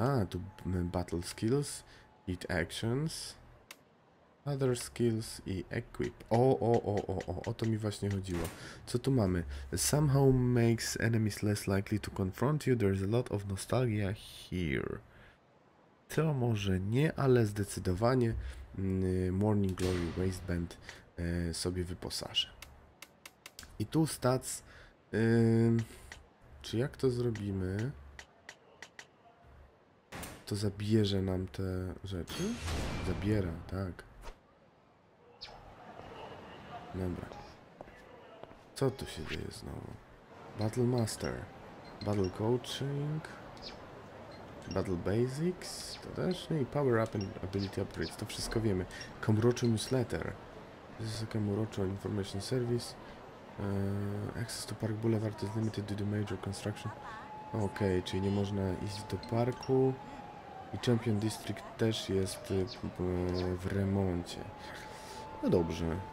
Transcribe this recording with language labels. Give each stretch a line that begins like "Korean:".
English: To battle skills, hit actions, other skills i equip.
Polish: O to mi właśnie chodziło. Co tu mamy?
English: Somehow makes enemies less likely to confront you. There is a lot of nostalgia here.
Polish: To może nie, ale zdecydowanie Morning Glory Waistband sobie wyposażę. I tu stats. Czy jak to zrobimy? To zabierze nam te rzeczy? Zabiera, tak. Dobra. Co tu się dzieje znowu? Battle Master. Battle Coaching. Battle Basics. To też. No i Power Up and Ability Upgrades. To wszystko wiemy. Kamurocho Newsletter.
English: This is a Kamurocho Information Service. Access to Park Boulevard is limited due to major construction.
Polish: Okej, czyli nie można iść do parku. I Champion District też jest w remoncie. No dobrze.